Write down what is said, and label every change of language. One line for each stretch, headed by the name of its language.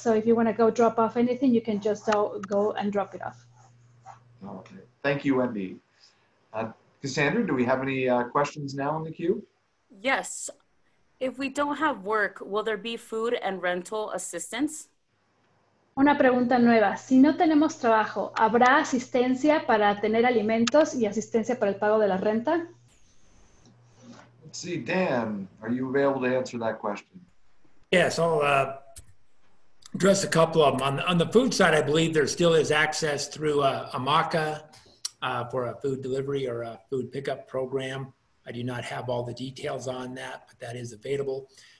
English: So if you want to go drop off anything, you can just go and drop it off. Okay. Thank you, Wendy. Cassandra, do we have any questions now in the queue? Yes. If we don't have work, will there be food and rental assistance?
Spanish: Una pregunta nueva. Si no tenemos trabajo, ¿habrá asistencia para tener alimentos y asistencia para el pago de la renta?
English: Let's see, Dan, are you available to answer that question? Yes, I'll address a couple of them. On the food side, I believe there still is access through AMACA for a food delivery or a food pickup program. I do not have all the details on that, but that is available.